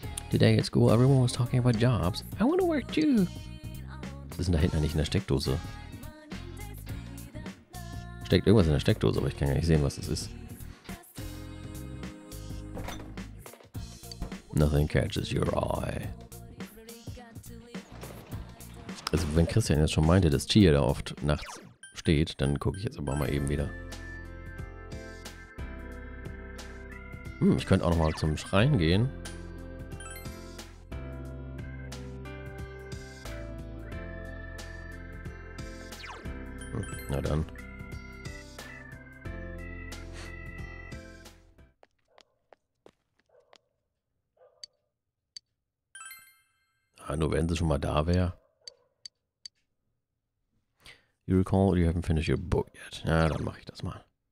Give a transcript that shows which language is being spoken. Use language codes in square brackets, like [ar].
[en] Today at school everyone was talking about jobs. I want to work too! [de] Was ist denn da hinten eigentlich in der Steckdose? Steckt irgendwas in der Steckdose, aber ich kann gar nicht sehen, was das ist. [en] Nothing catches your eye. [de] Also wenn Christian jetzt schon meinte, dass Chia da oft nachts steht, dann gucke ich jetzt aber mal eben wieder. Ich könnte auch nochmal zum Schrein gehen. [en] No done. [de] Ah, nur wenn sie schon mal da wäre. [en] You recall or you haven't finished your book yet? [de] Na, dann mach ich das mal.